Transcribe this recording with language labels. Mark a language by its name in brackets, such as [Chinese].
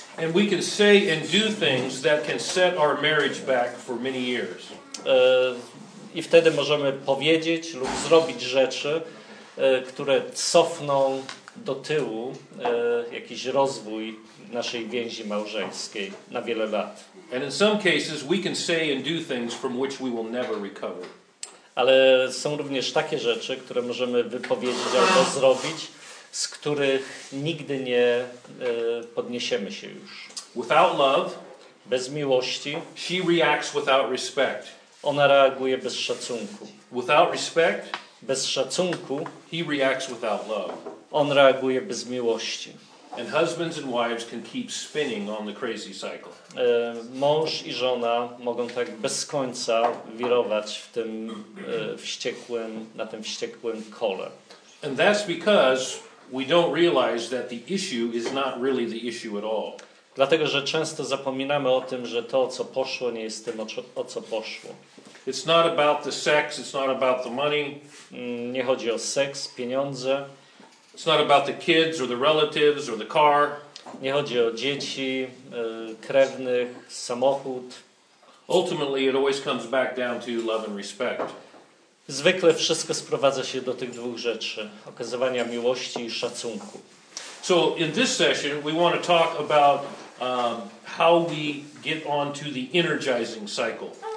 [English] And we can say and do things that can set our marriage back for many years. [Polish] I wtedy możemy powiedzieć lub zrobić rzeczy, które cofną do tyłu jakiś rozwój naszej więzi małżeńskiej na wiele lat. [English] And in some cases we can say and do things from which we will never recover. [Polish] Ale są również takie rzeczy, które możemy wypowiedzieć albo zrobić, z których nigdy nie podniesiemy się już. [English] Without love, [Polish] bez miłości, [English] she reacts without respect. [Polish] Ona reaguje bez szacunku. [English] Without respect, [Polish] bez szacunku, [English] he reacts without love. [Polish] On reaguje bez miłości. [English] And husbands and wives can keep spinning on the crazy cycle. [Polish] Mąż i żona mogą tak bez końca wirować w tym wściekłym, na tym wściekłym kole. [English] And that's because we don't realize that the issue is not really the issue at all. [Polish] Dlatego, że często zapominamy o tym, że to, co poszło, nie jest tym, o co poszło. [English] It's not about the sex, it's not about the money. [Polish] Nie chodzi o seks, pieniądze. [English] It's not about the kids or the relatives or the car. [Polish] Nie chodzi o dzieci, krewnych, samochód. [English] Ultimately, it always comes back down to love and respect. [Polish] Zwykle wszystko sprowadza się do tych dwóch rzeczy: okazywania miłości i szacunku. [English] So in this session, we want to talk about how we get on to the energizing cycle.